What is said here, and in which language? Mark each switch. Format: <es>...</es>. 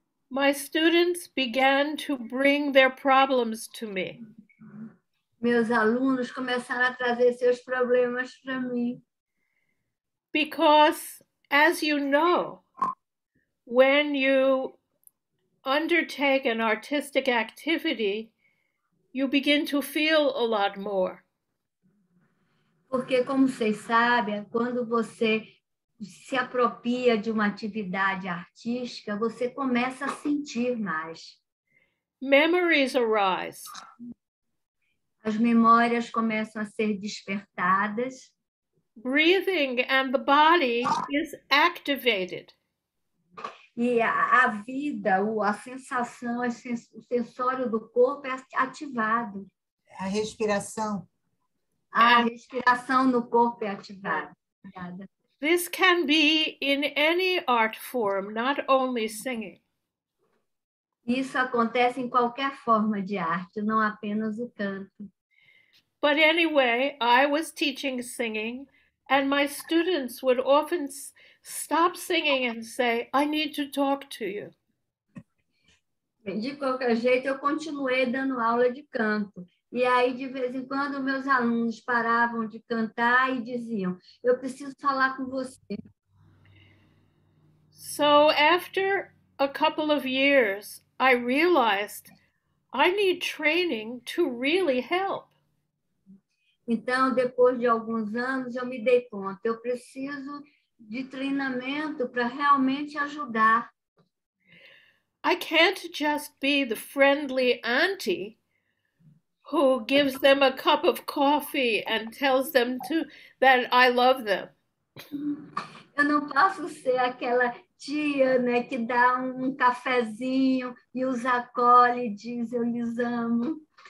<en>My students began to bring their problems to me.</en> <pt>Meus alunos começaram a trazer seus problemas para mim.</pt> <en>Because, as you know, when you undertake an artistic activity, you begin to feel a lot more.</en> <pt>Porque, como vocês sabem, quando você se apropria de uma atividade artística, você começa a sentir mais.</pt> <en>Memories arise.</en> <pt>As memórias começam a ser despertadas.</pt> <en>Breathing and the body is activated.</en> <pt>E a vida, a sensação, o sensório do corpo é ativado. A respiração. A respiração no corpo é ativada.</pt> <en>This can be in any art form, not only singing.</en> <pt>Isso acontece em qualquer forma de arte, não apenas o canto.</pt> <en>But anyway, I was teaching singing, and my students would often stop singing and say, I need to talk to you.</en> <pt>De qualquer jeito, eu continuei dando aula de canto. E aí, de vez em quando, meus alunos paravam de cantar e diziam, eu preciso falar com você.</pt> <en>So, after a couple of years, I realized I need training to really help.</en> <pt>Então, depois de alguns anos, eu me dei conta. Eu preciso de treinamento para realmente ajudar.</pt> <en>I can't just be the friendly auntie who gives them a cup of coffee and tells them to that I love them.</en> <pt>Eu não posso ser aquela tia, né, que dá um cafezinho e os acolhe e diz eu lhes amo.</pt>